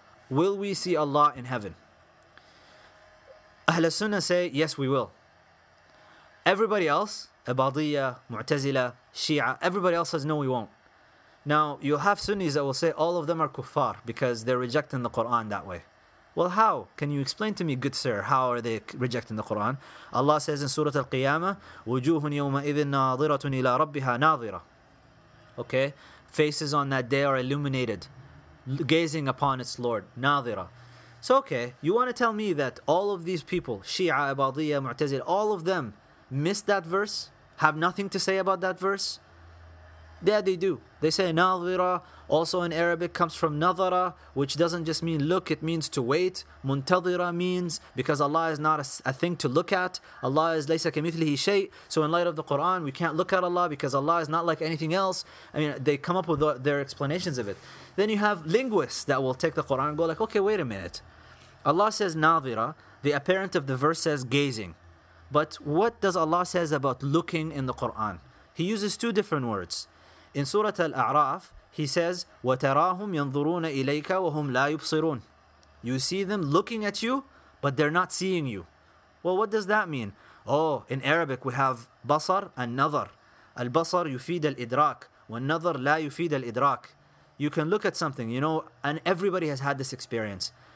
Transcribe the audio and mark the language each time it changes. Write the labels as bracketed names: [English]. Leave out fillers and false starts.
[English] Will we see Allah in heaven? Ahl al-Sunnah say, yes, we will. Everybody else, Abadiya, Mu'tazila, Shia, everybody else says, no, we won't. Now, you'll have Sunnis that will say all of them are kuffar because they're rejecting the Quran that way. Well, how? Can you explain to me, good sir, how are they rejecting the Quran? Allah says in Surah Al-Qiyamah, [Arabic] وَجُوهٌ يَوْمَئِذٍ نَاظِرَةٌ إِلَىٰ رَبِّهَا نَاظِرَةٌ. [English] Okay? Faces on that day are illuminated, gazing upon its Lord, Nadira. So okay, you want to tell me that all of these people, Shia, Abadiya, Mu'tazil, all of them missed that verse, have nothing to say about that verse? Yeah, they do. They say Nadira, also in Arabic, comes from Nadara, which doesn't just mean look, it means to wait. Muntadira means because Allah is not a thing to look at. Allah is [Arabic] laysa kamithlihi shay'. [English] So in light of the Quran, we can't look at Allah because Allah is not like anything else. I mean, they come up with their explanations of it. Then you have linguists that will take the Quran and go like, okay, wait a minute. Allah says Nadira, the apparent of the verse says gazing. But what does Allah says about looking in the Quran? He uses two different words. In Surah Al-A'raf, he says, [Arabic] وَتَرَاهُمْ يَنْظُرُونَ إِلَيْكَ وَهُمْ لَا يُبْصِرُونَ. [English] You see them looking at you, but they're not seeing you. Well, what does that mean? Oh, in Arabic, we have basar and nadar. [Arabic] Al-basar yufid al-idrak. Wal-nadar la yufid al-idrak. [English] You can look at something, you know, and everybody has had this experience.